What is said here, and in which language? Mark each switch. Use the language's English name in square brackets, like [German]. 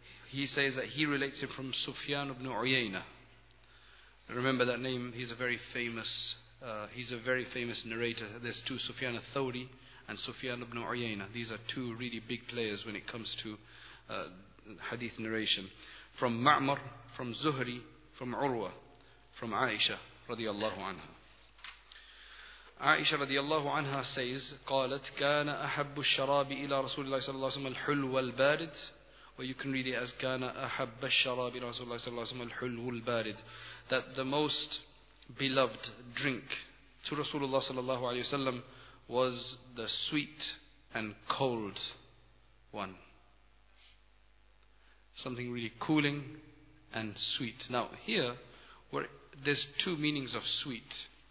[English] He says that he relates it from Sufyan ibn Uyayna. Remember that name, he's a very famous narrator. There's two, Sufyan al-Thawri and Sufyan ibn Uyayna. These are two really big players when it comes to hadith narration. From Ma'mar, from Zuhri, from Urwa, from Aisha radiallahu anha. [Arabic] Aisha radiallahu anha says, قالت كان أحب الشراب إلى رسول الله صلى الله عليه وسلم الحلو البارد. [English] Or you can read it as [Arabic] كان أحب الشراب إلى رسول الله صلى الله عليه وسلم الحلو البارد. [English] That the most beloved drink to Rasulullah صلى الله عليه وسلم was the sweet and cold one. Something really cooling and sweet. Now here, there's two meanings of sweet.